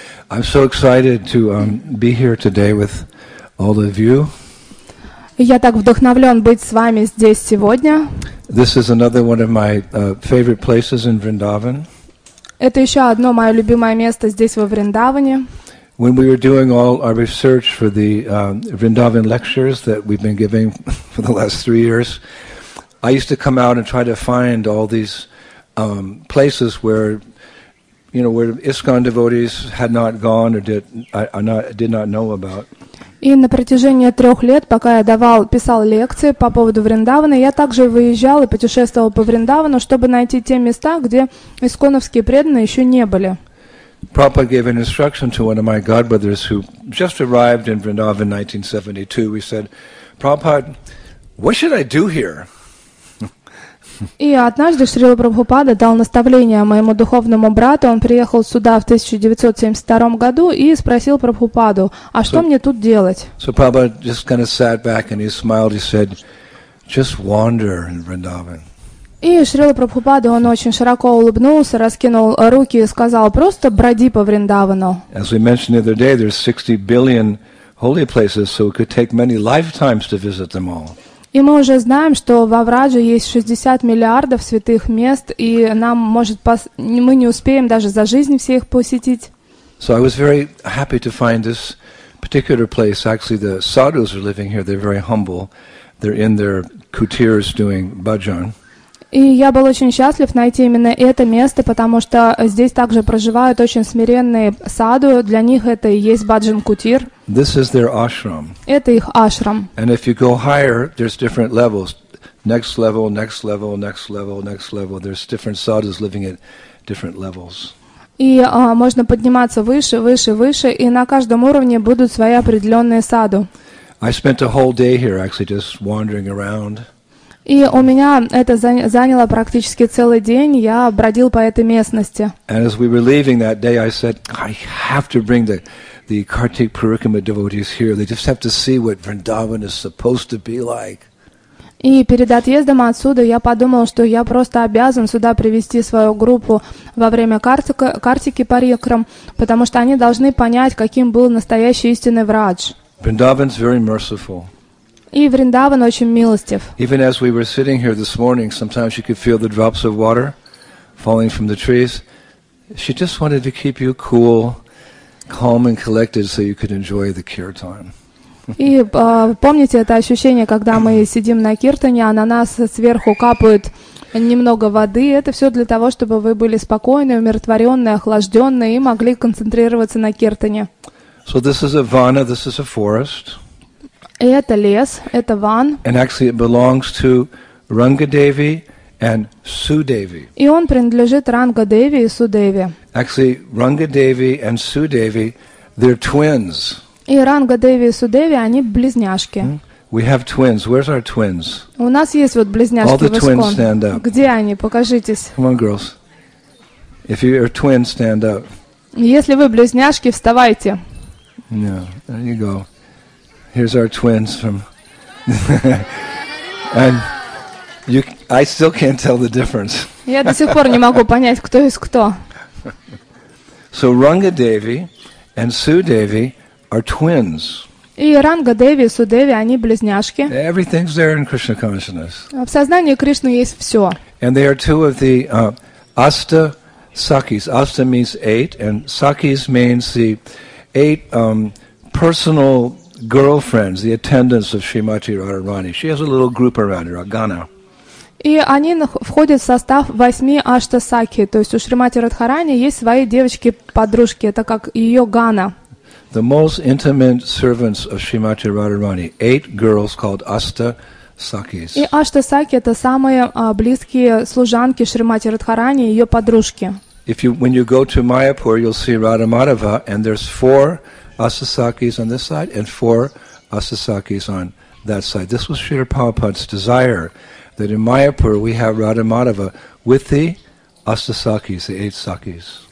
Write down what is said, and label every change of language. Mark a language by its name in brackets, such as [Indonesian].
[English] I'm so excited to be here today with all of you. [Russian] Я так вдохновлен быть с вами здесь сегодня. [English] This is another one of my favorite places in Vrindavan. [Russian] Это еще одно мое любимое место здесь во Вриндаване. [English] When we were doing all our research for the Vrindavan lectures that we've been giving for the last 3 years, I used to come out and try to find all these places where, you know, where ISKCON devotees had not gone or did not know about. [Russian] И на протяжении 3 лет, пока я писал лекции по поводу Вриндавана, я также выезжал и путешествовал по Вриндавану, чтобы найти те места, где исконовские преданные еще не были. [English] Prabhupada gave an instruction to one of my godbrothers who just arrived in Vrindavan in 1972. We said, Prabhupada, what should I do here? [Russian] И однажды Шрила Прабхупада дал наставление моему духовному брату. Он приехал сюда в 1972 году и спросил Прабхупаду, а что мне тут делать? [English] So Prabhupada just kind of sat back and he smiled. He said, just wander in Vrindavan. [Russian] И Шрила Прабхупада, он очень широко улыбнулся, раскинул руки и сказал, просто броди по Вриндавану. [English] As we mentioned the other day, there's 60 billion holy places, so it could take many lifetimes to visit them all. [Russian] И мы уже знаем, что во Врадже есть 60 миллиардов святых мест, и нам может мы не успеем даже за жизнь все их посетить. [English] So I was very happy to find this particular place. Actually, the sadhus are living here. They're very humble. They're in their kutirs doing bhajan. [Russian] И я был очень счастлив найти именно это место, потому что здесь также проживают очень смиренные саду. Для них это и есть баджан кутир. [English] This is their ashram. [Russian] Это их ашрам. [English] And if you go higher, there's different levels. Next level, next level, next level, next level. There's different sadhus living at different levels. [Russian] И можно подниматься выше, выше, выше, и на каждом уровне будут свои определенные саду. [English] I spent a whole day here, actually, just wandering around. [Russian] И у меня это заняло практически целый день, я бродил по этой местности. [English] And as we were leaving that day, I said, I have to bring the Kartik Parikrama devotees here. They just have to see what Vrindavan is supposed to be like. [Russian] И перед отъездом отсюда я подумал, что я просто обязан сюда привести свою группу во время Картики Парикрам, потому что они должны понять, каким был настоящий истинный Врадж. [English] Vrindavan's very merciful. [Russian] И Вриндаван очень милостив. [English] Even as we were sitting here this morning, sometimes you could feel the drops of water falling from the trees. She just wanted to keep you cool, calm and collected so you could enjoy the kirtan. [Russian] И помните это ощущение, когда мы сидим на киртане, а на нас сверху капает немного воды. Это все для того, чтобы вы были спокойны, умиротворенные, охлажденные и могли концентрироваться на киртане. [English] So this is a vana, this is a forest. [Russian] И это лес, это ван. [English] And actually it belongs to Rangadevi and Sudevi. [Russian] И он принадлежит Рангадеви и Судеви. [English] Actually, Rangadevi and Sudevi, they're twins. [Russian] И Рангадеви и Судеви, они близняшки. [English] We have twins. Where's our twins? [Russian] У нас есть вот близняшки. [English] All the twins stand up. [Russian] Где они? Покажитесь. [English] Come on, girls. If you are twins, stand up. [Russian] Если вы близняшки, вставайте. [English] Yeah, there you go. Here's our twins from, and I still can't tell the difference. [Russian] Я до сих пор не могу понять, кто из кто. [English] So Rangadevi and Sudevi are twins. [Russian] И Рангадеви и Судеви, они близняшки. [English] Everything's there in Krishna consciousness. [Russian] В сознании Кришны есть все. [English] And they are two of the Asta Sakis. Asta means eight, and Sakis means the eight personal girlfriends, the attendants of Srimati Radharani. She has a little group around her, Agana. [Russian] И они входят в состав восьми аштасаки, то есть у Шримати Радхарани есть свои девочки-подружки, это как ее гана. [English] The most intimate servants of Shrimati Radharani, eight girls called Ashtasakis. [Russian] И аштасаки это самые близкие служанки Шримати Радхарани, ее подружки. [English] If you, when you go to Mayapur, you'll see Radha Madhava, and there's four Ashtasakis on this side and four Ashtasakis on that side. This was Srila Prabhupada's desire. That in Mayapur we have Radha Madhava with the Ashtasakis, the eight Sakis.